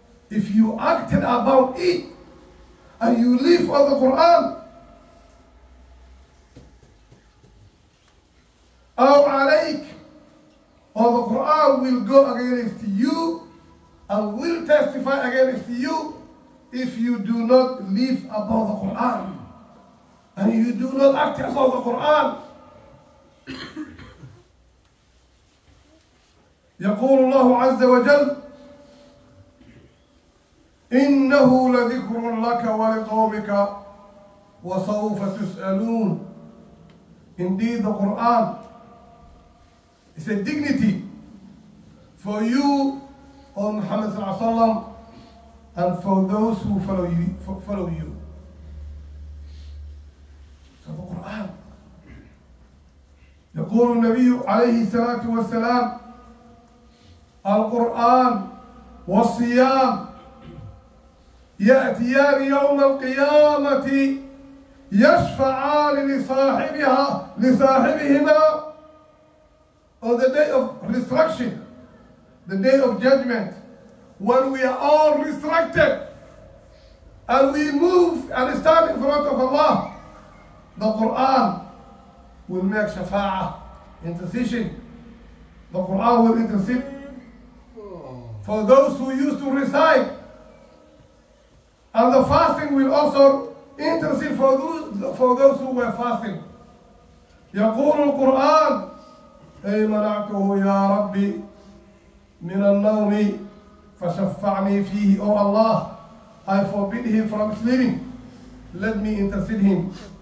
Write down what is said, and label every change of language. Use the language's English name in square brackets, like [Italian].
[English] If you acted about it and you live on the Quran, [Arabic] أو عليك, [English] or the Quran will go against you and will testify against you if you do not live above the Quran and you do not act above the Quran. [Arabic] يقول الله عز وجل إنه لذكر لك ولقومك وسوف تسألون. [English] Indeed the Quran, it's a dignity for you, O Muhammad sallallahu alaihi wasallam, and for those who follow you. So the Quran, [Arabic] يقول النبي عليه الصلاة والسلام: القرآن والصيام يأتيان يوم القيامة يشفعان لصاحبهما. [English] On the day of resurrection, the day of judgment, when we are all resurrected and we move and stand in front of Allah, the Quran will make shafa'a, intercession. The Quran will intercede for those who used to recite. And the fasting will also intercede for those who were fasting. [Arabic] يقول القرآن: أي منعته يا ربي من النوم فشفعني فيه. [English] Oh Allah, I forbid him from sleeping. Let me intercede him.